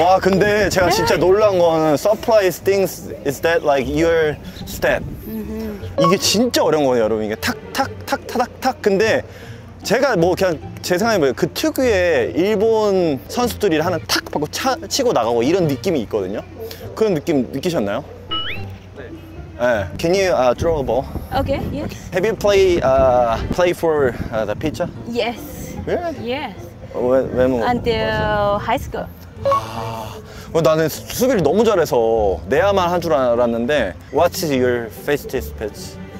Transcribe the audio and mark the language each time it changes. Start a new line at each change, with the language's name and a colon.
Korean: 와, 근데 제가 진짜 놀란 거는
English: surprise things is that like your step.
Korean: 이게 진짜 어려운 거예요, 여러분. 이게 탁탁탁탁탁. 근데 제가 뭐 그냥 제 생각이 뭐예요. 그 특유의 일본 선수들이 하는 탁 받고 치고 나가고 이런 느낌이 있거든요. 그런 느낌 느끼셨나요? 네. 네.
English: Can you throw a ball? Okay. Yes. Have you play play for the pitcher? Yes. Really? Yes. When until high school.
Korean: 아, 나는 수비를 너무 잘해서 내야만 한 줄 알았는데.
English: What is your fastest pitch?